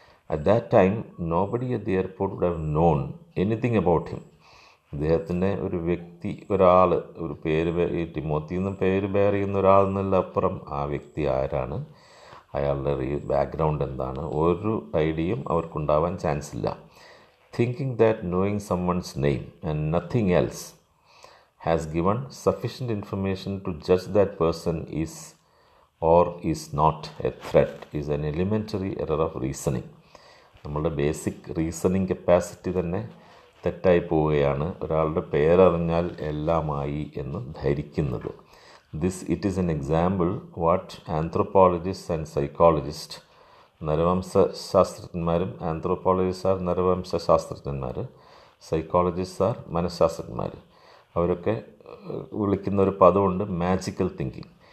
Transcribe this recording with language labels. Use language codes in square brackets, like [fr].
[en] At that time, nobody at the airport would have known anything about him. [ml] ഇദ്ദേഹത്തിൻ്റെ ഒരു വ്യക്തി ഒരാൾ ഒരു പേര് ഈ ടിമോത്തി എന്ന് പേര് ബെയർ ചെയ്യുന്ന ഒരാൾ എന്നുള്ള അപ്പുറം ആ വ്യക്തി ആരാണ്, അയാളുടെ ബാക്ക്ഗ്രൗണ്ട് എന്താണ്, ഒരു ഐഡിയയും അവർക്കുണ്ടാവാൻ ചാൻസ് ഇല്ല. [en] Thinking that knowing someone's name and nothing else has given sufficient information to judge that person is or is not a threat is an elementary error of reasoning. [ml] നമ്മളുടെ ബേസിക് റീസണിങ് കപ്പാസിറ്റി തന്നെ തെറ്റായി പോവുകയാണ് ഒരാളുടെ പേരറിഞ്ഞാൽ എല്ലാമായി എന്ന് ധരിക്കുന്നത്. [en] this it is an example what anthropologist and psychologist [ml] നരവംശാസ്ത്രജ്ഞന്മാരും ആന്ത്രോപ്പോളജിസ്റ്റ് R നരവംശാസ്ത്രജ്ഞന്മാർ, psychologist R മനഃശാസ്ത്രജ്ഞന്മാർ, അവരൊക്കെ വിളിക്കുന്ന ഒരു പദമുണ്ട് മാജിക്കൽ തിങ്കിങ്.